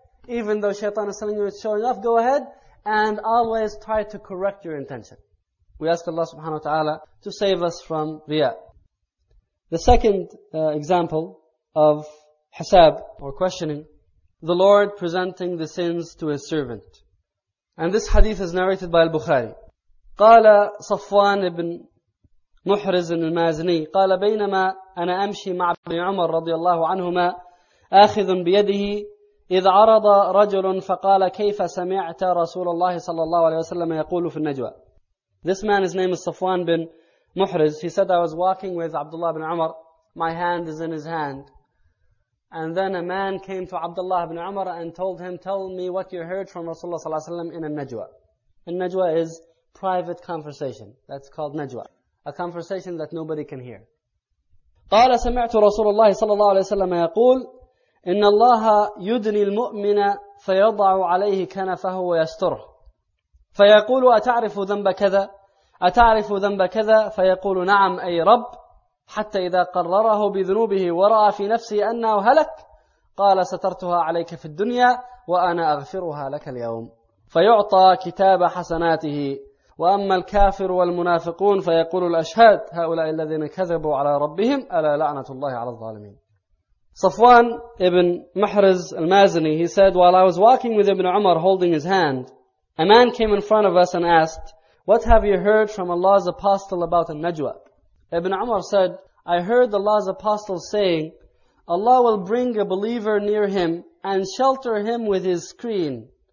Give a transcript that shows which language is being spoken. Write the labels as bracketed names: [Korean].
[English] Even though Shaitan is telling you it's showing off, go ahead. And always try to correct your intention. We ask Allah subhanahu wa ta'ala to save us from Riya. The second example of hisab or questioning, the Lord presenting the sins to His servant. And this hadith is narrated by Al-Bukhari. [Arabic] قال صفوان بن محرز المازني قال بينما أنا أمشي مع ابن عمر رضي الله عنهما آخذ بيده إذ عرض رجل فقال كيف سمعت رسول الله صلى الله عليه وسلم يقول في النجوى. [English] This man, his name is Safwan bin Muhriz. He said, I was walking with Abdullah bin Umar. My hand is in his hand. And then a man came to Abdullah bin Umar and told him, tell me what you heard from Rasulullah sallallahu alayhi wa sallam in a najwa. A najwa is private conversation. That's called najwa. A conversation that nobody can hear. [Arabic] قال سمعت رسول الله صلى الله عليه وسلم يقول إن الله يدني المؤمن فيضع عليه كنفه ويستره فيقول أتعرف ذنب كذا أتعرف ذنب كذا فيقول نعم أي رب حتى إذا قرره بذنوبه ورأى في نفسه أنه هلك قال سترتها عليك في الدنيا وأنا أغفرها لك اليوم فيعطى كتاب حسناته وأما الكافر والمنافقون فيقول الأشهاد هؤلاء الذين كذبوا على ربهم ألا لعنة الله على الظالمين. [English] Safwan ibn Muhriz al-Mazini, he said, while I was walking with Ibn Umar holding his hand, a man came in front of us and asked, what have you heard from Allah's apostle about a najwa? Ibn Umar said, I heard Allah's apostle saying, Allah will bring a believer near him and shelter him with his screen.